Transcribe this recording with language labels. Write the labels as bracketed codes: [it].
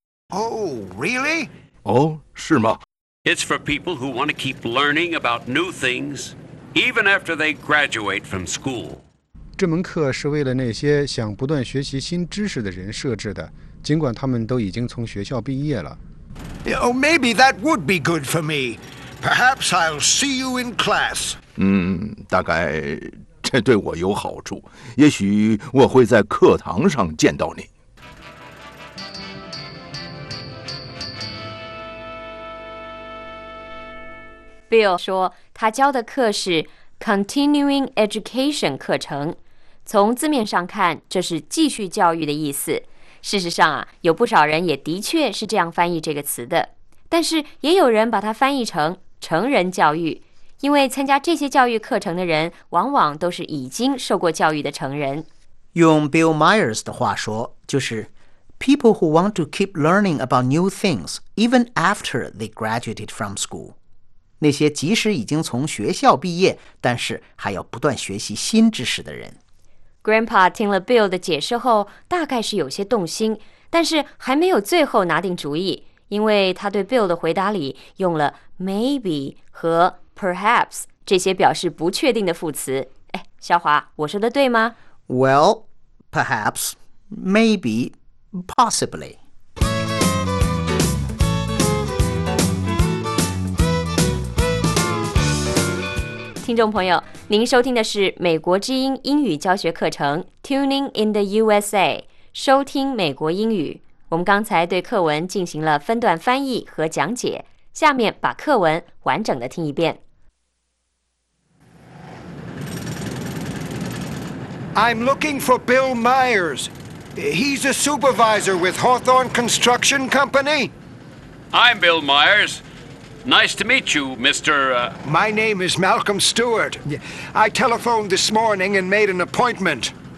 [en] Oh, really? [zh] 哦，是吗？ [en] It's for people who want to keep learning about new things, even after they graduate from school. [zh] 这门课是为了那些想不断学习新知识的人设置的，尽管他们都已经从学校毕业了。 [en] Oh, maybe that would be good for me. Perhaps I'll see you in class. [zh] 大概这对我有好处。也许我会在课堂上见到你。 Bill 说，他教的课是 Continuing Education 课程。从字面上看，这是继续教育的意思。事实上啊，有不少人也的确是这样翻译这个词的，但是也有人把它翻译成成人教育，因为参加这些教育课程的人往往都是已经受过教育的成人。用 Bill Myers 的话说，就是 [en] People who want to keep learning about new things even after they graduated from school， [zh] 那些即使已经从学校毕业，但是还要不断学习新知识的人。 Grandpa 听了 Bill 的解释后，大概是有些动心，但是还没有最后拿定主意，因为他对 Bill 的回答里用了 maybe 和 perhaps 这些表示不确定的副词。哎，肖华，我说的对吗？ [en] Well, perhaps, maybe, possibly. [zh] 听众朋友，您收听的是美国之音英语教学课程 Tuning in the USA， 收听美国英语。我们刚才对课文进行了分段翻译和讲解，下面把课文完整的听一遍。 [en] I'm looking for Bill Myers. He's a supervisor with Hawthorne Construction Company. I'm Bill Myers. Nice to meet you, Mr. My name is Malcolm Stewart. I telephoned this morning and made an appointment.